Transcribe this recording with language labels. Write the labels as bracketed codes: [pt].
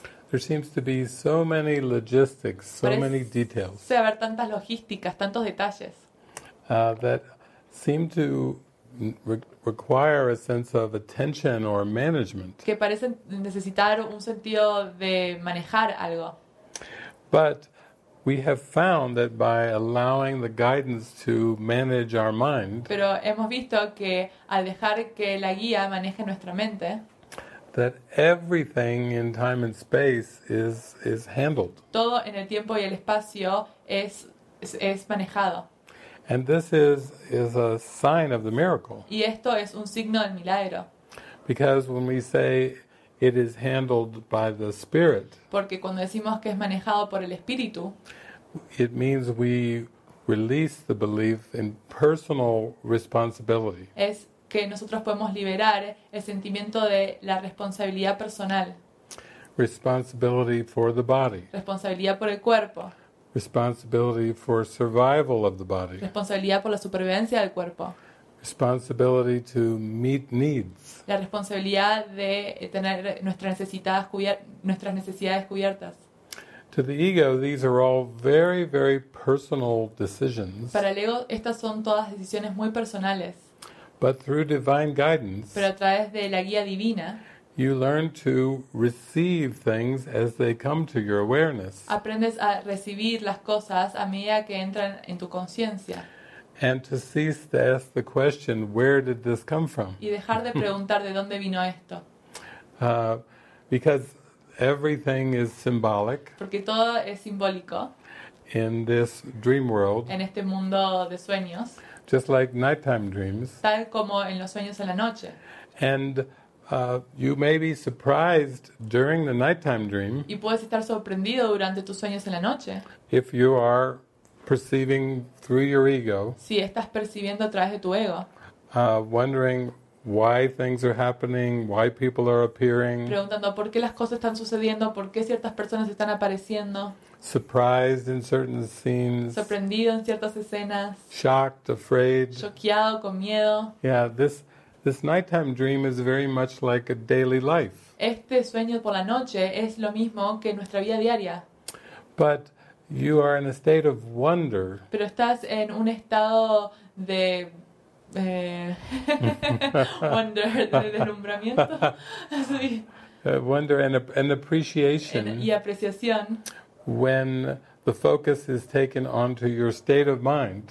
[en] There seems to be so many logistics, so many details. [es] Puede haber tantas logísticas, tantos detalles. [en] That seem to require a sense of attention or management. [es] Que parecen necesitar un sentido de manejar algo. [en] But we have found that by allowing the guidance to manage our mind. [es] Pero hemos visto que al dejar que la guía maneje nuestra mente. [en] That everything in time and space is handled. [es] Todo en el tiempo y el espacio es manejado. [en] And this is a sign of the miracle. [es] Y esto es un signo del milagro. [en] Because when we say it is handled by the Spirit. [es] Porque cuando decimos que es manejado por el Espíritu. [en] It means we release the belief in personal responsibility. [es] Es que nosotros podemos liberar el sentimiento de la responsabilidad personal. [en] Responsibility for the body. [es] Responsabilidad por el cuerpo. [en] Responsibility for survival of the body. [es] Responsabilidad por la supervivencia del cuerpo. [en] Responsibility to meet needs. [es] La responsabilidad de tener nuestras necesidades cubiertas. [en] To the ego, these are all very, very personal decisions. [es] Para el ego, estas son todas decisiones muy personales. [en] But through divine guidance, [es] pero a través de la guía divina, [en] you learn to receive things as they come to your awareness. [es] Aprendes a recibir las cosas a medida que entran en tu conciencia. [en] And to cease to ask the question, "Where did this come from?" [es] Y dejar de preguntar de dónde vino esto. [en] Because everything is symbolic. [es] Porque todo es simbólico. [en] In this dream world. [es] En este mundo de sueños. [en] Just like nighttime dreams. [es] Tal como en los sueños en la noche. [en] And you may be surprised during the nighttime dream. [es] Y puedes estar sorprendido durante tus sueños en la noche. [en] If you are perceiving through your ego. [es] Si estás percibiendo a través de tu ego. [en] Wondering why things are happening, why people are appearing. [es] Preguntando por qué las cosas están sucediendo, por qué ciertas personas están apareciendo. [en] Surprised in certain scenes. [es] Sorprendido en ciertas escenas. [en] Shocked, afraid. [es] Choqueado, con miedo. [en] Yeah, this nighttime dream is very much like a daily life. [es] Este sueño por la noche es lo mismo que nuestra vida diaria. [en] But you are in a state of wonder. [es] Pero estás en un estado de wonder, de deslumbramiento. Sí. [en] Wonder and appreciation. [es] Y apreciación. [en] When the focus is taken onto your state of mind,